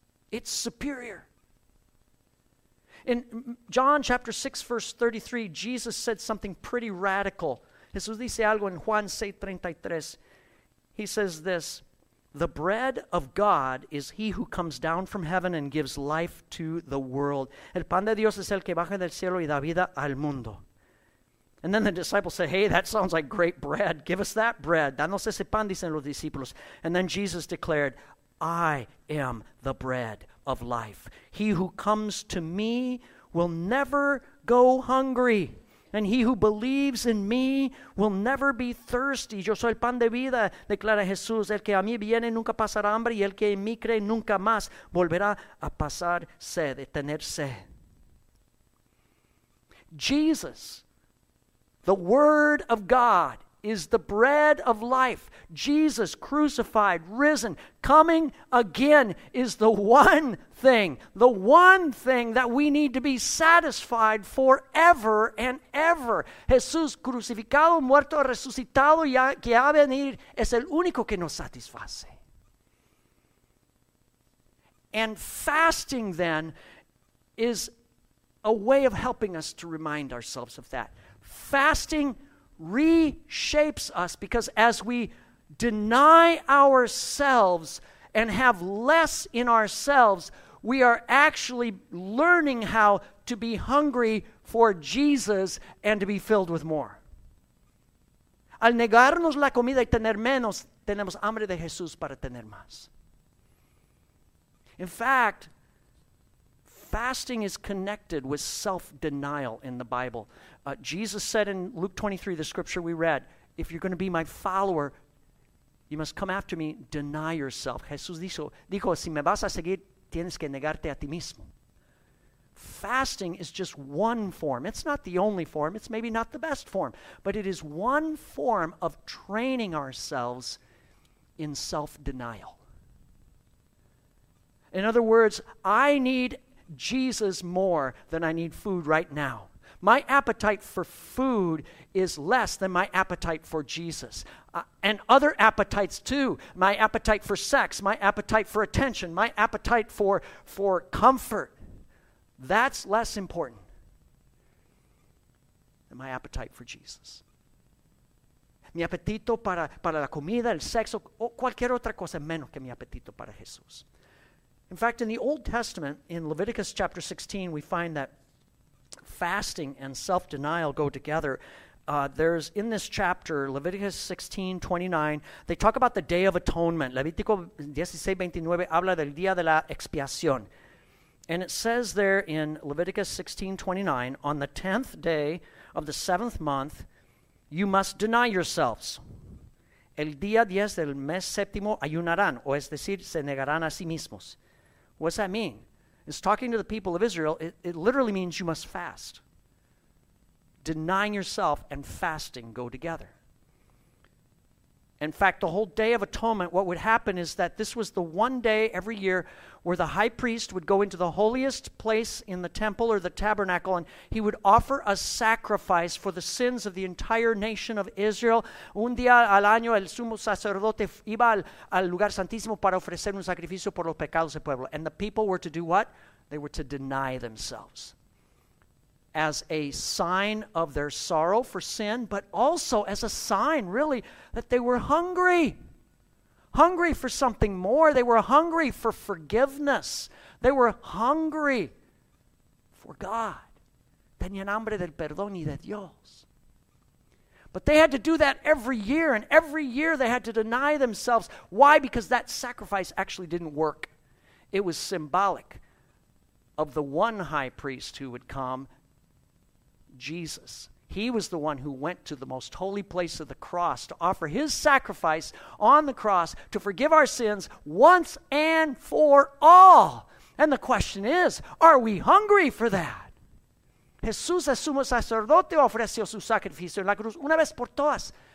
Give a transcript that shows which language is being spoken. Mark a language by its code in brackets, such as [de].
[en] It's superior. In John chapter 6, verse 33, Jesus said something pretty radical. [es] Jesús dice algo en Juan 6:33. [en] He says this, the bread of God is he who comes down from heaven and gives life to the world. [es] El pan de Dios es el que baja del cielo y da vida al mundo. [en] And then the disciples say, hey, that sounds like great bread. Give us that bread. [es] Danos ese pan, dicen los discípulos. [en] And then Jesus declared, I am the bread of life. He who comes to me will never go hungry. And he who believes in me will never be thirsty. [es] Yo soy el pan de vida, declara Jesús. El que a mí viene nunca pasará hambre, y el que en mí cree nunca más volverá a pasar sed, a tener sed. [en] Jesus, the Word of God, is the bread of life. Jesus, crucified, risen, coming again, is the one thing that we need to be satisfied forever and ever. [es] Jesús, crucificado, muerto, resucitado, ya que ha venido, es el único que nos satisface. [en] And fasting, then, is a way of helping us to remind ourselves of that. Fasting reshapes us, because as we deny ourselves and have less in ourselves, we are actually learning how to be hungry for Jesus and to be filled with more. [es] Al negarnos la comida y tener menos, tenemos hambre de Jesús para tener más. [en] In fact, fasting is connected with self-denial in the Bible. Jesus said in Luke 23, the scripture we read, if you're going to be my follower, you must come after me, deny yourself. [es] Jesús dijo, si me vas a seguir, tienes que negarte a ti mismo. [en] Fasting is just one form. It's not the only form. It's maybe not the best form. But it is one form of training ourselves in self-denial. In other words, I need Jesus more than I need food right now. My appetite for food is less than my appetite for Jesus. And other appetites too. My appetite for sex, my appetite for attention, my appetite for comfort. That's less important than my appetite for Jesus. [es] Mi apetito para la comida, el sexo, o cualquier otra cosa menos que mi apetito para Jesús. [en] In fact, in the Old Testament, in Leviticus chapter 16, we find that fasting and self-denial go together. There's in this chapter, Leviticus 16, 29, they talk about the Day of Atonement. [es] Levítico 16:29 habla del Día de la Expiación. [en] And it says there in Leviticus 16, 29, on the 10th day of the 7th month, you must deny yourselves. [es] El día 10 del mes séptimo ayunarán, o es decir, se negarán a sí mismos. [en] What's that mean? It's talking to the people of Israel. It literally means you must fast. Denying yourself and fasting go together. In fact, the whole Day of Atonement, what would happen is that this was the one day every year where the high priest would go into the holiest place in the temple or the tabernacle, and he would offer a sacrifice for the sins of the entire nation of Israel. [es] Un día al año, el sumo sacerdote iba al lugar santísimo para ofrecer un sacrificio por los pecados del pueblo. [en] And the people were to do what? They were to deny themselves as a sign of their sorrow for sin, but also as a sign, really, that they were hungry. Hungry for something more. They were hungry for forgiveness. They were hungry for God. [es] Tenían hambre del perdón y de Dios. [en] But they had to do that every year, and every year they had to deny themselves. Why? Because that sacrifice actually didn't work. It was symbolic of the one high priest who would come, Jesus. He was the one who went to the most holy place of the cross to offer his sacrifice on the cross to forgive our sins once and for all. And the question is, are we hungry for that? [es] Jesús, el sumo sacerdote, ofreció su sacrificio en la cruz una vez por todas.